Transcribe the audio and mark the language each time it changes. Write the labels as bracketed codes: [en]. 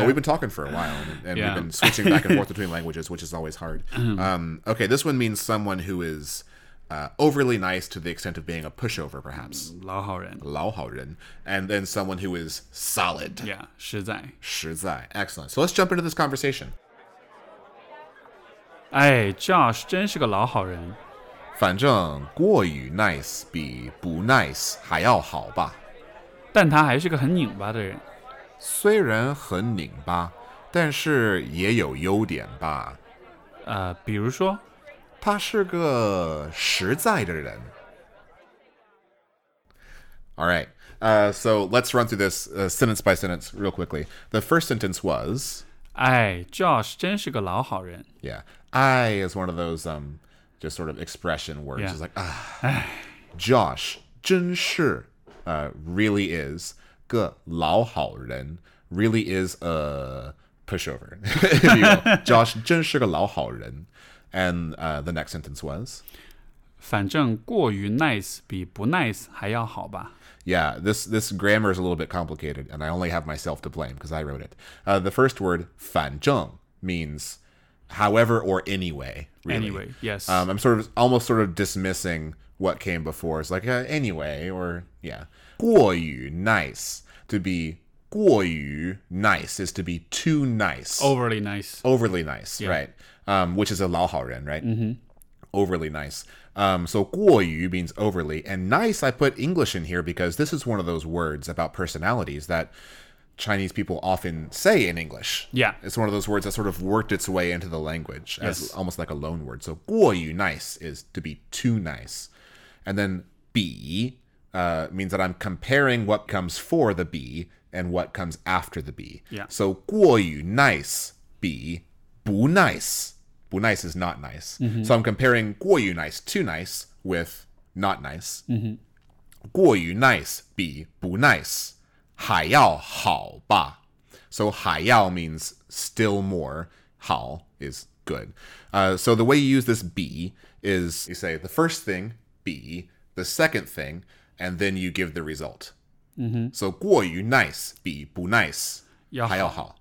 [en] Oh, we've been talking for a while, and yeah. We've been switching back and forth between languages, which is always hard. Okay, this one means someone who is... overly nice to the extent of being a pushover, perhaps. [zh] Lao hao ren. [en] And then someone who is solid. [zh] Yeah, shi zai. [en] Excellent. So let's jump into this conversation. [zh] Hey, Josh, 真是个老好人。反正过于 nice 比不 nice 还要好吧。但他还是个很拧巴的人。虽然很拧巴，但是也有优点吧。比如说他是个实在的人。 [en] All right. So let's run through this sentence by sentence real quickly. The first sentence was... [zh] 哎, Josh 真是个老好人。 [en] Yeah. I is one of those just sort of expression words. Yeah. It's like, Josh 真是 really is [zh] 个老好人 [en] really is a pushover. [zh] Josh 真是个老好人。 [en] And the next sentence was? [zh] 反正过于 nice 比不 nice 还要好吧。 [en] Yeah, this grammar is a little bit complicated, and I only have myself to blame because I wrote it. The first word, 反正, means however or anyway, really. Anyway, yes. I'm almost dismissing what came before. It's like anyway or, yeah. 过于 nice, to be 过于 nice is to be too nice. Overly nice. Overly nice, yeah. Right. Which is a 老好人, right? Mm-hmm. Overly nice. So 过于 means overly. And nice, I put English in here because this is one of those words about personalities that Chinese people often say in English. Yeah. It's one of those words that sort of worked its way into the language as yes. almost like a loan word. So 过于 nice is to be too nice. And then 比 means that I'm comparing what comes for the 比and what comes after the 比. Yeah. [zh] So 过于 nice 比不 nice. [en] 不 nice is not nice. Mm-hmm. So I'm comparing 过于 nice, too nice, with not nice. Mm-hmm. [zh] 过于 nice 比不 nice 还要好吧。 [en] So 还要 means still more. 好 is good. So the way you use this 比 is you say the first thing, 比, the second thing, and then you give the result. Mm-hmm. [zh] So 过于 nice 比不 nice. 要好.